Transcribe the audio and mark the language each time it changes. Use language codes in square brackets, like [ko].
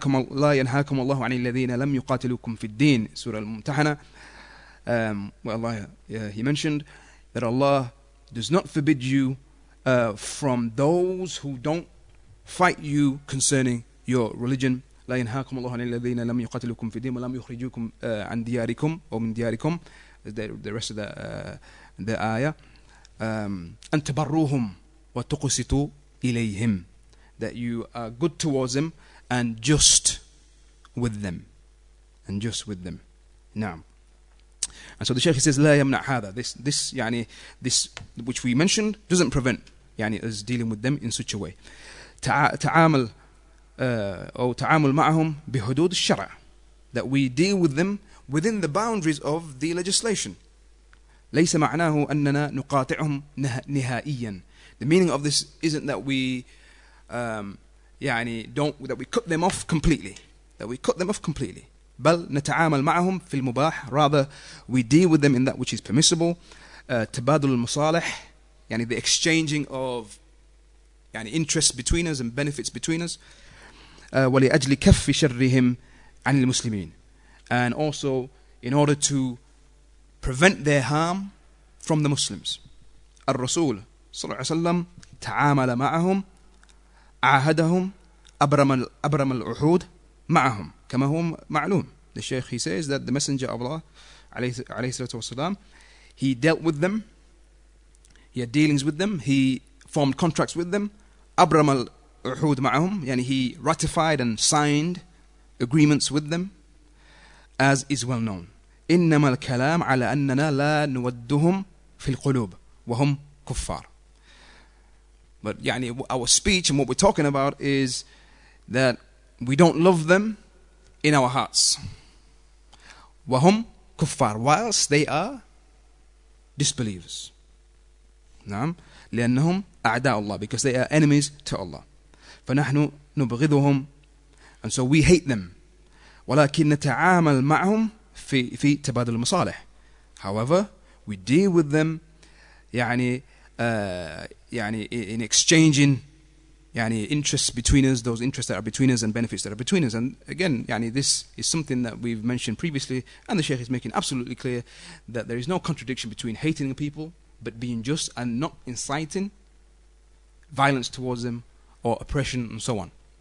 [ar] لا ينهاكم الله عن الذين لم يقاتلوكم في الدين, سورة الممتحنة. [en] Well, Allah, he mentioned that Allah does not forbid you from those who don't fight you concerning your religion. [ar] لا ينهاكم الله عن الذين لم يقاتلوكم في دينكم ولم يخرجوكم عن دياركم أو من دياركم. [en] The rest of the ayah. [ar] أن تبروهم وتقسطوا إليهم. [en] That you are good towards them and just with them. And just with them. نعم. And so the Shaykh says, [ar] لا يمنع هذا. [en] This يعني this which we mentioned doesn't prevent يعني us dealing with them in such a way. [ar] تعامل أو تعامل معهم بحدود الشرع. [en] That we deal with them within the boundaries of the legislation. [ar] ليس معناه أننا نقاطعهم نهائيا. [en] The meaning of this isn't that we يعني don't that we cut them off completely. That we cut them off completely. [ar] بل نتعامل معهم في المباح. [en] Rather, we deal with them in that which is permissible. [ar] تبادل المصالح. [en] يعني the exchanging of يعني interests between us and benefits between us. [ar] ولأجل كف شرهم عن المسلمين. [en] And also in order to prevent their harm from the Muslims. [ar] الرسول صلى الله عليه وسلم تعامل معهم عاهدهم أبرم العهود معهم كما هو معلوم. [en] The Shaykh, he says that the Messenger of Allah عليه الصلاة والسلام, he dealt with them, he had dealings with them, he formed contracts with them. [ar] أبرم العهود معهم, [en] يعني he ratified and signed agreements with them, as is well known. [ar] إنما الكلام على أننا لا نودهم في القلوب وهم كفار. [en] But يعني our speech and what we're talking about is that we don't love them in our hearts. [ar] وهم كفار, [en] whilst they are disbelievers. [ar] نعم, لأنهم أعداء الله, [en] because they are enemies to Allah. [ar] فنحن نبغضهم, [en] and so we hate them. [ar] ولكن نتعامل معهم في تبادل المصالح. [en] However, we deal with them, يعني in exchanging, يعني interests between us, those interests that are between us and benefits that are between us. And again, يعني this is something that we've mentioned previously, and the Shaykh is making absolutely clear that there is no contradiction between hating people but being just and not inciting violence towards them or oppression and so on.